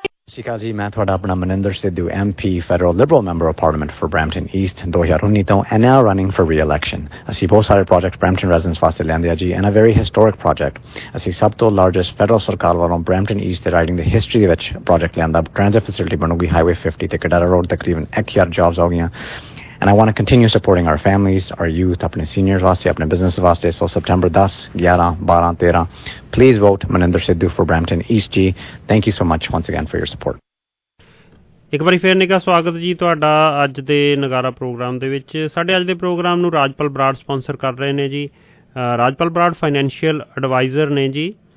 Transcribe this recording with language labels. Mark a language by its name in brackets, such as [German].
[Punjabi] ਸ਼ਿਕਾ ਜੀ ਮੈਂ ਤੁਹਾਡਾ ਆਪਣਾ [English] Maninder Sidhu MP federal liberal member of parliament for Brampton East 2019 ਤੋਂ and now running for reelection. [Punjabi] ਅਸੀਂ ਬਹੁਤ ਸਾਰੇ ਪ੍ਰੋਜੈਕਟ ਬ੍ਰੈਮਟਨ ਰੈਜ਼ੀਡੈਂਟਸ ਵਾਸਤੇ ਲਿਆਂਦੇ ਆ ਜੀ [English] And a very historic project. [Punjabi] ਅਸੀਂ ਸਭ ਤੋਂ ਲਾਰਜੈਸਟ ਫੈਡਰਲ ਸਰਕਾਰ ਵੱਲੋਂ ਬ੍ਰੈਮਟਨ ਈਸਟ ਦੇ ਰਾਈਡਿੰਗ ਦੀ ਹਿਸਟਰੀ ਵਿੱਚ ਪ੍ਰੋਜੈਕਟ ਲਿਆਂਦਾ। ਟ੍ਰਾਂਜ਼ਿਟ ਫੈਸਿਲਿਟੀ ਬਣੂਗੀ ਹਾਈਵੇ 50 ਤੇ ਕਡਾਰਾ ਰੋਡ ਤਕਰੀਬਨ 1000 ਜੌਬਸ ਹੋ ਗਈਆਂ। [English] And I want to continue supporting our families, our youth, [Punjabi] apne seniors vaste, apne business vaste. [English] So September 10, 11, 12, 13, please vote Maninder Sidhu for Brampton East G. Thank you so much once again for your support. [Punjabi] ਇੱਕ ਵਾਰੀ ਫਿਰ ਨਿੱਘਾ ਸਵਾਗਤ ਜੀ ਤੁਹਾਡਾ ਅੱਜ ਦੇ ਨਗਾਰਾ programme ਦੇ ਵਿੱਚ। ਸਾਡੇ ਅੱਜ ਦੇ ਪ੍ਰੋਗਰਾਮ ਨੂੰ ਰਾਜਪਾਲ ਬਰਾੜ ਸਪੌਂਸਰ ਕਰ ਰਹੇ ਨੇ ਜੀ। ਰਾਜਪਾਲ ਬਰਾੜ ਫਾਈਨੈਂਸ਼ੀਅਲ ਐਡਵਾਈਜ਼ਰ ਨੇ ਜੀ।